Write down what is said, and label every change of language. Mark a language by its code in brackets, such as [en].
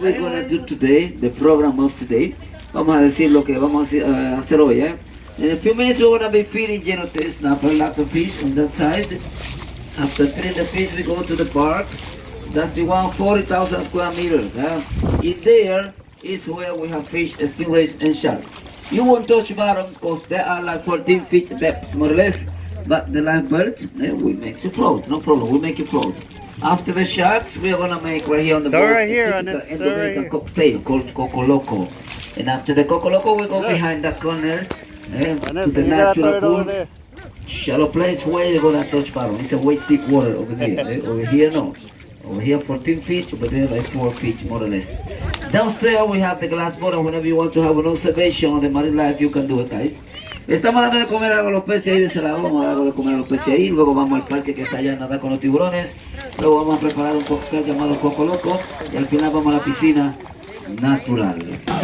[en] We're going to do today, the program of today. [es] Vamos a decir lo que vamos a hacer hoy, eh? [en] In a few minutes, we're going to be feeding Genotes. Now, a lot of fish on that side. After feeding the fish, we go to the park. That's the one, 40,000 square meters. In there is where we have fish, stingrays, and sharks. You won't touch bottom because there are like 14 feet depths, more or less. But the live birds, we make you float. No problem, we make you float. After the sharks, we are going to make right here on the door boat. Right here, on this door right here. And make a cocktail called Coco Loco. And after the Coco Loco, we go behind that corner. To the natural pool. Shallow place where you're going to touch bottom. It's a way deep water over there. Over here, no. Over here, 14 feet, over there, like 4 feet, more or less. Downstairs, we have the glass bottle. Whenever you want to have an observation on the marine life, you can do it, guys. [es] Estamos dando de comer algo a los peces ahí de ese lado. Vamos a dar de comer a los peces ahí. Luego vamos al parque que está allá a nadar con los tiburones. Luego vamos a preparar un cóctel llamado Coco Loco. Y al final vamos a la piscina natural.